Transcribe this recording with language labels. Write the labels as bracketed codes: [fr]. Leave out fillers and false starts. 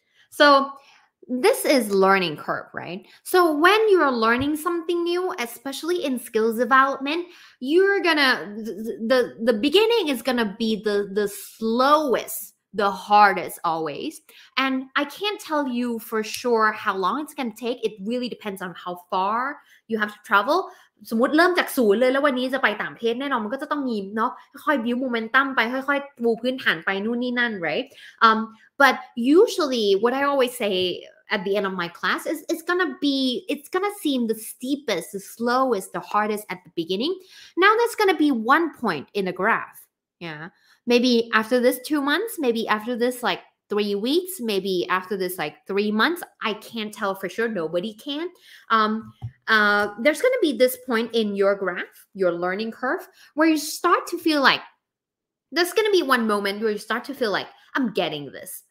[en] So this is learning curve, right? So when you're learning something new, especially in skills development, you're gonna, the beginning is gonna be the slowest, the hardest always. And I can't tell you for sure how long it's going to take. It really depends on how far you have to travel. [th] สมมุติเริ่มจากศูนย์เลยแล้ววันนี้จะไปต่างประเทศแน่นอนมันก็จะต้องมีเนาะค่อยๆ [en] build momentum [th] ไปค่อยๆปูพื้นฐานไปนู่นนี่นั่น [en] right but usually what I always say at the end of my class is it's going to seem the steepest, the slowest, the hardest at the beginning. Now that's going to be one point in the graph, yeah. Maybe after this 2 months, maybe after this like 3 weeks, maybe after this like 3 months, I can't tell for sure. Nobody can. There's going to be this point in your graph, your learning curve, where you start to feel like, there's going to be one moment where you start to feel like, I'm getting this.